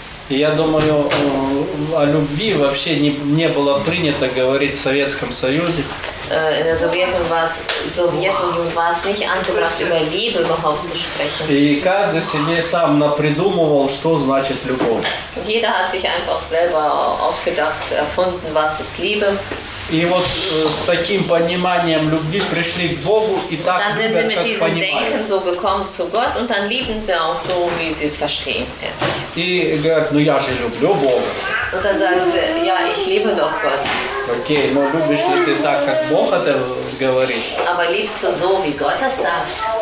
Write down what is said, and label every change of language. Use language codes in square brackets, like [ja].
[ru] И я думаю, о любви вообще не было принято говорить в Советском Союзе. [de] In der Sowjetunion war es nicht angebracht, über Liebe überhaupt zu sprechen. [ru] И каждый себе сам напридумывал, что значит любовь. [de] Jeder hat sich einfach selber ausgedacht, erfunden, was ist Liebe. [ru] И вот с таким пониманием любви пришли к Богу и так любят, как понимают. [de] Dann sind sie mit diesem Denken so gekommen zu Gott und dann lieben sie auch so, wie sie es verstehen. [ru] И говорят, ну я же люблю Бога. [de] Und dann sagen sie, ja, ich liebe doch Gott. [ru] Окей, но любишь ли ты так, как Бог это говорит? [de] Aber liebst du so, wie Gott das sagt?